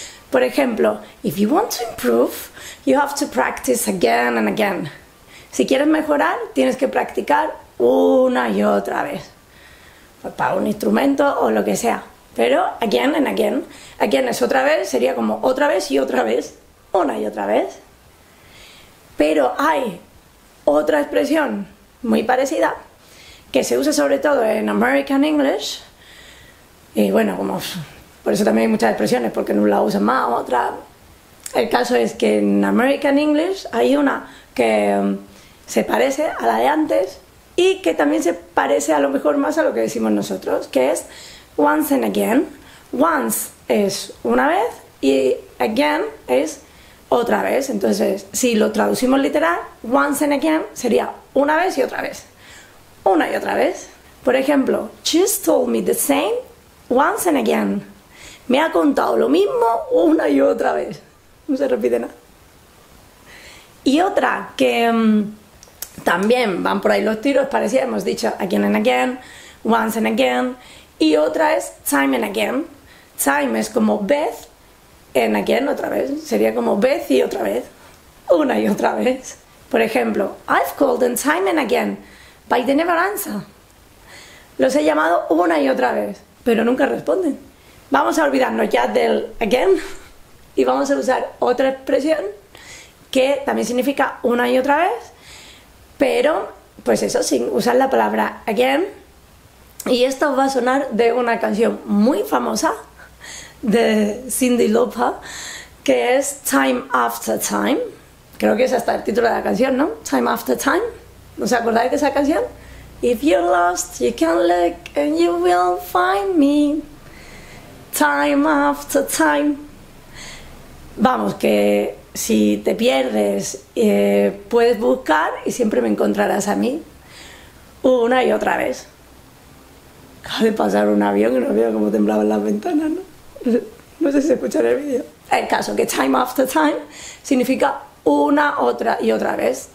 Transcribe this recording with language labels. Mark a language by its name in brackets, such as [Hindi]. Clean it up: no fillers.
[Spanish] Por ejemplo, [English] if you want to improve, you have to practice again and again. [Spanish] Si quieres mejorar, tienes que practicar una y otra vez. Pues para un instrumento o lo que sea. Pero [English] again and again. [Spanish] Again es otra vez, sería como otra vez y otra vez. Una y otra vez. Pero hay otra expresión muy parecida que se usa sobre todo en American English. Y bueno, como... por eso también hay muchas expresiones, porque no la usan más, otra... El caso es que en American English hay una que se parece a la de antes y que también se parece a lo mejor más a lo que decimos nosotros, que es [English] once and again. [Spanish] Once es una vez y again es otra vez. Entonces, si lo traducimos literal, [English] once and again [Spanish] sería una vez y otra vez. Una y otra vez. Por ejemplo, [English] she's told me the same once and again. [Spanish] Me ha contado lo mismo una y otra vez. No se repite nada. Y otra que también van por ahí los tiros, parecía, hemos dicho [English] again and again, once and again. [Spanish] Y otra es [English] time and again. [Spanish] Time es como vez and again, otra vez. Sería como vez y otra vez. Una y otra vez. Por ejemplo, [English] I've called them time and again, but they never answer. [Spanish] Los he llamado una y otra vez, pero nunca responden. Vamos a olvidarnos ya del again y vamos a usar otra expresión que también significa una y otra vez, pero pues eso, sin usar la palabra again. Y esto va a sonar de una canción muy famosa de Cyndi Lauper, que es Time After Time. Creo que es hasta el título de la canción, ¿no? Time After Time. ¿No os acordáis de esa canción? [English] If you're lost, you can look and you will find me. Time after time. [Spanish] Vamos, que si te pierdes, puedes buscar y siempre me encontrarás a mí. Una y otra vez. Acaba de pasar un avión y no veo cómo temblaban las ventanas, ¿no? No sé si escuchar el vídeo. El caso que [English] time after time [Spanish] significa una, otra y otra vez.